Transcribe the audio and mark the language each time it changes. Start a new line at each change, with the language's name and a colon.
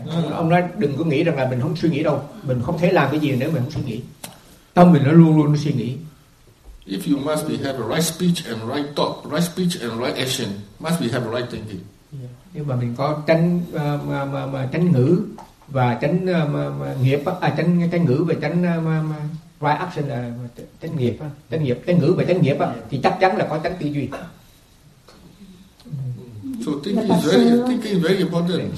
Vietnamese: Ông nói đừng có nghĩ rằng là mình không suy nghĩ đâu, mình không thể làm cái gì nếu mình không suy nghĩ. Tâm mình nó luôn luôn nó suy nghĩ.
English: If you must be have a right speech and right thought, right speech and right action, must be have a right thinking. Yeah.
Vietnamese: Nếu mà mình có tránh tránh ngữ và tránh nghiệp, tránh tránh ngữ và tránh right action là tránh nghiệp, tránh nghiệp, tránh ngữ và tránh nghiệp thì chắc chắn là có tránh tư duy.
English: So thinking is very important.